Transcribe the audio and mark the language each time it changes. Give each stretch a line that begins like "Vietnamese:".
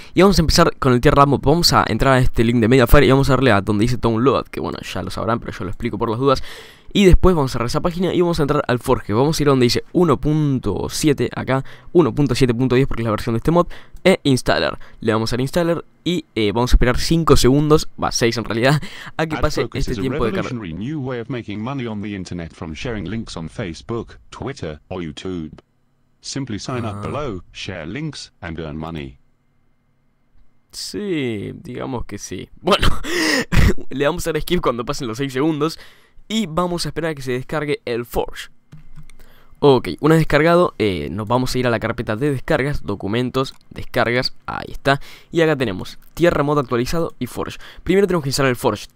Spanish: Y vamos a empezar con el Tierra Mod. Vamos a entrar a este link de Mediafire y vamos a darle a donde dice Download, que bueno, ya lo sabrán, pero yo lo explico por las dudas. Y después vamos a cerrar esa página y vamos a entrar al Forge. Vamos a ir a donde dice 1.7, acá, 1.7.10, porque es la versión de este mod, e Installer. Le damos al Installer y vamos a esperar 5 segundos, va, 6 en realidad, a que pase este tiempo de carga.
English: Adfocus is a revolutionary new way of making money on the internet from sharing links on Facebook, Twitter o YouTube. Simply sign up below, share links and earn money.
Spanish: Sí, digamos que sí. Bueno, le vamos a dar skip cuando pasen los 6 segundos. Y vamos a esperar a que se descargue el Forge. Ok, una vez descargado, nos vamos a ir a la carpeta de descargas, documentos, descargas, ahí está. Y acá tenemos Tierra Mod actualizado y Forge. Primero tenemos que instalar el Forge.